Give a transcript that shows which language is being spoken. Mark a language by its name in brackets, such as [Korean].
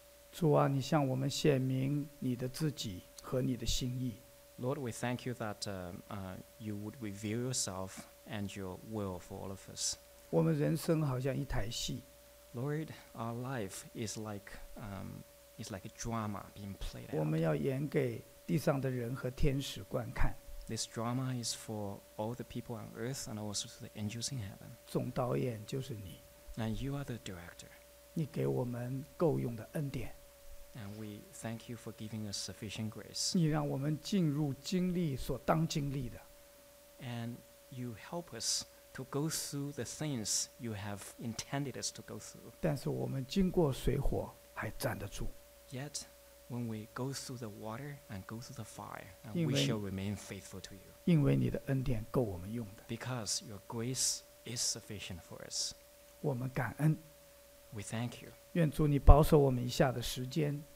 [Chinese] 主啊, 你向我们显明, 你的自己和你的心意。 [English] Lord, we thank you that you would reveal yourself and your will for all of us. [Chinese] 我们人生好像一台戏。 [English] Lord, our life is like a drama being played out. [Chinese] 我们要演给地上的人和天使观看。 [English] This drama is for all the people on earth and also to the angels in heaven. [Chinese] 总导演就是你。 [English] And you are the director. [Chinese] 你给我们够用的恩典。 [English] And we thank you for giving us sufficient grace. [Chinese] 你让我们进入经历所当经历的。 [English] And you help us to go through the things you have intended us to go through. [Chinese] 但是我们经过水火还站得住。 [English] Yet, when we go through the water and go through the fire, and we shall remain faithful to you. [Chinese] 因为你的恩典够我们用的。 [English] Because your grace is sufficient for us. [Chinese] 我们感恩。 [English] We thank you. [Chinese] 愿主你保守我们以下的时间。